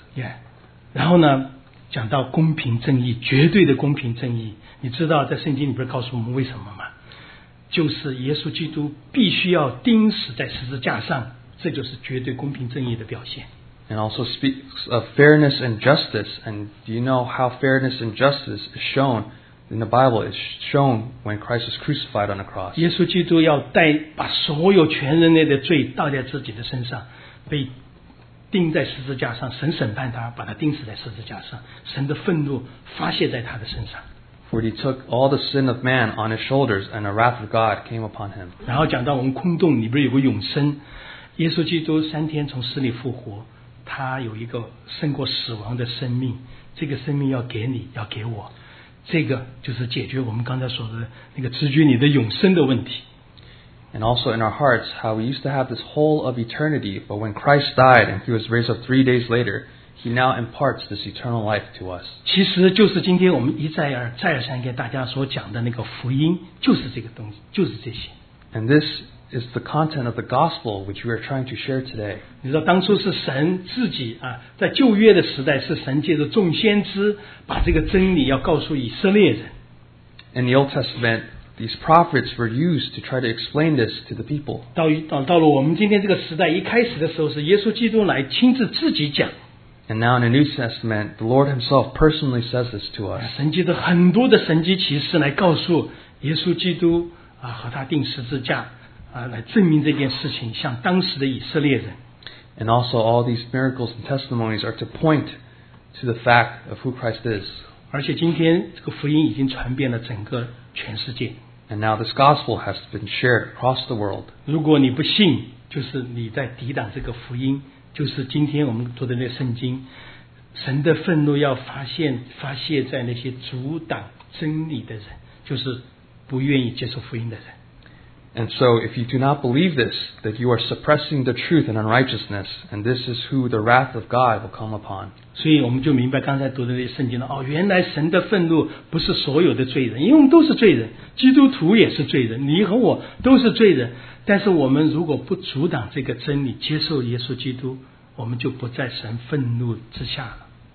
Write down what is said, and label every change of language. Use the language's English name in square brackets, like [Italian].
[Chinese] Yeah. 然后呢，讲到公平正义，绝对的公平正义。你知道在圣经里边告诉我们为什么吗？就是耶稣基督必须要钉死在十字架上，这就是绝对公平正义的表现。 [English] And also speaks of fairness and justice. And do you know how fairness and justice is shown in the Bible? It's shown when Christ is crucified on the cross. [Chinese] 耶稣基督要带把所有全人类的罪倒在自己的身上，被钉在十字架上，神审判他，把他钉死在十字架上，神的愤怒发泄在他的身上。 [English] For he took all the sin of man on his shoulders, and the wrath of God came upon him. [Chinese] 然后讲到我们空洞里边有个永生，耶稣基督三天从死里复活。他有一个胜过死亡的生命，这个生命要给你，要给我，这个就是解决我们刚才说的那个直觉你的永生的问题。 [English] And also in our hearts, how we used to have this whole of eternity, but when Christ died and he was raised up 3 days later, he now imparts this eternal life to us. [Chinese] 其实就是今天我们一再而再而三跟大家所讲的那个福音，就是这个东西，就是这些。 [English] And this is the content of the gospel which we are trying to share today. [Chinese] 你知道当初是神自己啊，在旧约的时代是神借着众先知把这个真理要告诉以色列人。 [English] In the Old Testament, these prophets were used to try to explain this to the people. [Chinese] 到了我们今天这个时代，一开始的时候是耶稣基督来亲自自己讲。 [English] And now in the New Testament, the Lord himself personally says this to us. [Chinese] 神借着很多的神迹奇事来告诉耶稣基督啊，和他钉十字架啊，来证明这件事情，向当时的以色列人。 [English] And also, all these miracles and testimonies are to point to the fact of who Christ is. [Chinese] 而且今天这个福音已经传遍了整个全世界。 [English] And now this gospel has been shared across the world. [Chinese] 如果你不信，就是你在抵挡这个福音，就是今天我们读的那圣经，神的愤怒要发泄在那些阻挡真理的人，就是不愿意接受福音的人。 [English] And so if you do not believe this, that you are suppressing the truth and unrighteousness, and this is who the wrath of God will come upon. [Chinese] 所以我们就明白刚才读的那些圣经了，哦，原来神的愤怒不是所有的罪人，因为我们都是罪人，基督徒也是罪人，你和我都是罪人，但是我们如果不阻挡这个真理，接受耶稣基督，我们就不在神愤怒之下了。